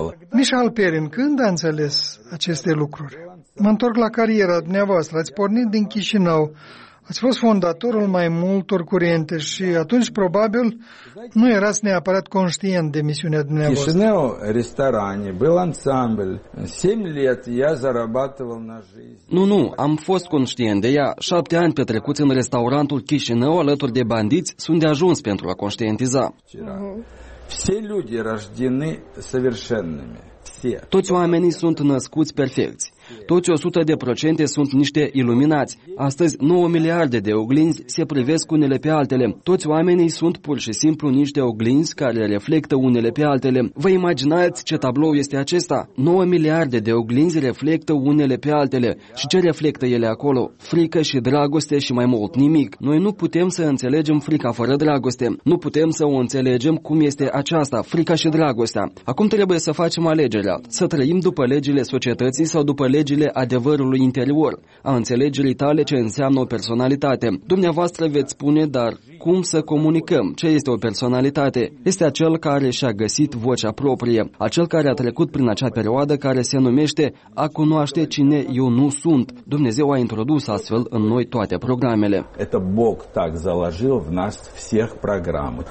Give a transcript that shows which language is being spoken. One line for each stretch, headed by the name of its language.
Romanian: Michal Perin, când a înțeles aceste lucruri? Mă întorc la cariera dumneavoastră. Ați pornit din Chișinău. Ați fost fondatorul mai multor curente și atunci probabil nu erați neapărat conștient de misiunea dumneavoastră.
Russian: Chișinău, restaurant, был ансамбль. 7 лет я зарабатывал на жизнь.
Romanian: Nu, am fost conștient de ea. 7 ani petrecuți în restaurantul Chișinău alături de bandiți sunt de ajuns pentru a conștientiza.
Russian: Все люди рождены совершенными.
Romanian: Toți oamenii sunt născuți perfecți. Toți 100% sunt niște iluminați. Astăzi 9 miliarde de oglinzi se privesc unele pe altele. Toți oamenii sunt pur și simplu niște oglinzi care reflectă unele pe altele. Vă imaginați ce tablou este acesta? 9 miliarde de oglinzi reflectă unele pe altele. Și ce reflectă ele acolo? Frică și dragoste și mai mult nimic. Noi nu putem să înțelegem frica fără dragoste. Nu putem să o înțelegem cum este aceasta, frica și dragostea. Acum trebuie să facem alegerea. Să trăim după legile societății sau după legile adevărului interior, a înțelegerii tale ce înseamnă o personalitate. Dumneavoastră veți spune, dar cum să comunicăm? Ce este o personalitate? Este acel care și-a găsit vocea proprie, acel care a trecut prin acea perioadă care se numește a cunoaște cine eu nu sunt. Dumnezeu a introdus astfel în noi toate programele.
Russian: Это Бог так заложил в нас всех программы.